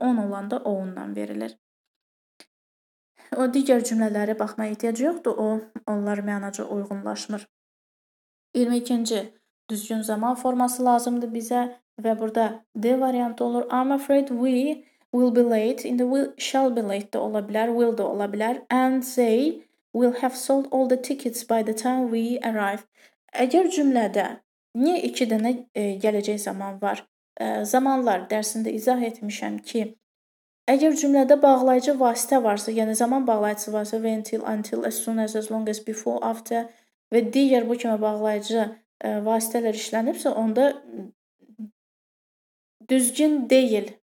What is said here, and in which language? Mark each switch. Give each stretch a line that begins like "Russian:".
Azerbaijani: On olanda own-la verilir. O digər cümlələri baxmaya ehtiyacı yoxdur. O, onlar mənaca uyğunlaşmır. 22-ci düzgün zaman forması lazımdır bizə. Və burada D variantı olur.
English: I'm afraid we will be late. In the we shall be late
Azerbaijani: də ola bilər. Will də ola bilər.
English: And say we'll have sold all the tickets by the time we arrive.
Azerbaijani: Əgər cümlədə niyə iki dənə gələcək zaman var? Zamanlar dərsində izah etmişəm ki, əgər cümlədə bağlayıcı vasitə varsa, yəni zaman bağlayıcısı varsa, until, until, as soon as long as before, after və digər bu kimi bağlayıcı vasitələr işlənibsə, onda düzgün deyil.